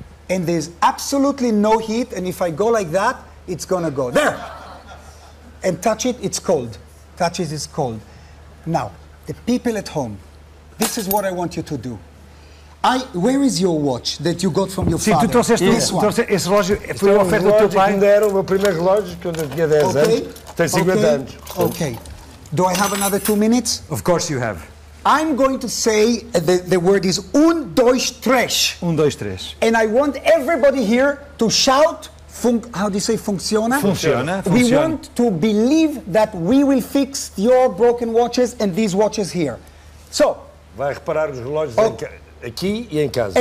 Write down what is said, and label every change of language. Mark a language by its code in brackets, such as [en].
[en] And there's absolutely no heat, and if I go like that, it's gonna go. There! And touch it, it's cold. Touch it, it's cold. Now. The people at home, this is what I want you to do. Where is your watch that you got from your father? [pt] Sim, tu trouxeste [en] this one. [pt] Trouxeste esse relógio, foi uma oferta do teu pai. Ainda era o meu primeiro relógio, quando eu tinha 10 anos. Tem 50 anos. [en] Okay. Do I have another 2 minutes? Of course you have. I'm going to say the word is [pt] un, dois, três. Um, dois, três. [en] And I want everybody here to shout, how do you say, funciona? [pt] Funciona. [en] We want to believe that we will fix your broken watches and these watches here. So. [pt] Vai reparar os relógios aqui e em casa.